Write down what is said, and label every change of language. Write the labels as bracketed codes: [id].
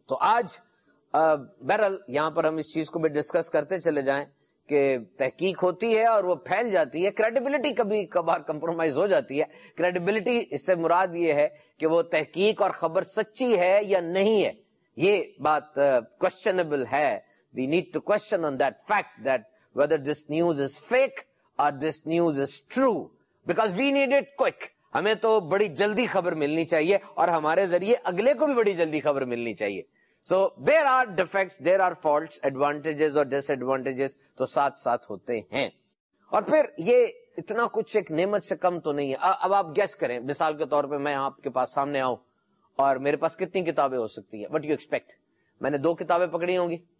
[ur] تو آج بہرحال یہاں پر ہم اس چیز کو بھی ڈسکس کرتے چلے جائیں کہ تحقیق ہوتی ہے اور وہ پھیل جاتی ہے, کریڈیبلٹی کبھی کبھار کمپرومائز ہو جاتی ہے. کریڈیبلٹی اس سے مراد یہ ہے کہ وہ تحقیق اور خبر سچی ہے یا نہیں ہے, یہ بات questionable ہے. [en] We need to question on that fact that whether this news is fake or this news is true, because we need it quick. [ur] ہمیں تو بڑی جلدی خبر ملنی چاہیے اور ہمارے ذریعے اگلے کو بھی بڑی جلدی خبر ملنی چاہیے. [en] so there are defects, there are faults, [ur] advantages اور ڈس ایڈوانٹیجز تو ساتھ ساتھ ہوتے ہیں. اور پھر یہ اتنا کچھ ایک نعمت سے کم تو نہیں ہے. اب آپ گیس کریں, مثال کے طور پہ میں آپ کے پاس سامنے آؤں اور میرے پاس کتنی کتابیں ہو سکتی ہیں, [en] What you expect? [ur] میں نے دو کتابیں پکڑی ہوں گی.